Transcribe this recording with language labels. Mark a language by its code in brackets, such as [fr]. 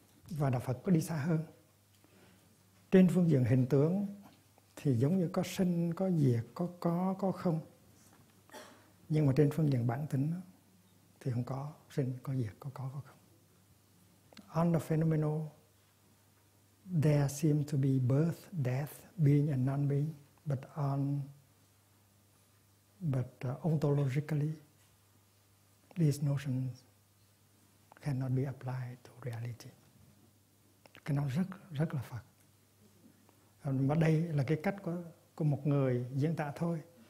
[vi] Và Đạo Phật có đi xa hơn. Trên phương diện hình tướng thì giống như có sinh, có diệt, có không. Nhưng mà trên phương diện bản tính đó, thì không có sinh, có diệt, có không. [en] On the phenomenal, there seem to be birth, death, being and non-being, but ontologically, these notions cannot be applied to reality. [vi] Cái nó rất rất là Phật. Và đây là cái cách của một người diễn tả thôi.